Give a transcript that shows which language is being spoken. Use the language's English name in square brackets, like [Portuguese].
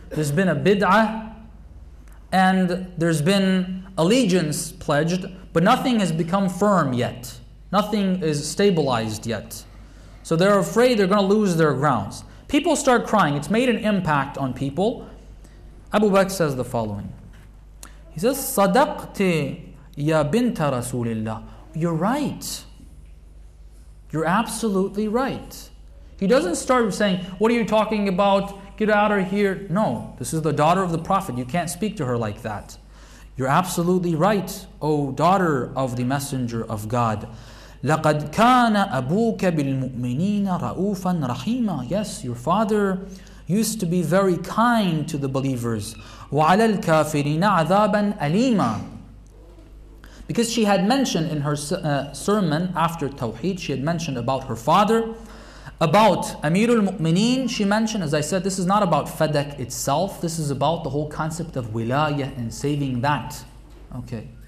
[English] There's been a bid'ah, and there's been allegiance pledged, but nothing has become firm yet. Nothing is stabilized yet. So they're afraid they're going to lose their grounds. People start crying. It's made an impact on people. Abu Bakr says the following. He says, [Arabic] صَدَقْتِ يَا بِنْتَ رَسُولِ اللَّهِ. [English] You're right. You're absolutely right. He doesn't start saying, what are you talking about? Get out of here. No, this is the daughter of the Prophet. You can't speak to her like that. You're absolutely right, O daughter of the Messenger of God. [Arabic] لَقَدْ كَانَ أَبُوكَ بِالْمُؤْمِنِينَ رَؤُوفًا رَحِيمًا. [English] Yes, your father used to be very kind to the believers. [Arabic] وَعَلَى الْكَافِرِينَ عَذَابًا أَلِيمًا. [English] Because she had mentioned in her sermon after Tawheed, she had mentioned about her father, about Amirul Mu'mineen. She mentioned, as I said, this is not about Fadak itself. This is about the whole concept of wilayah and saving that. Okay.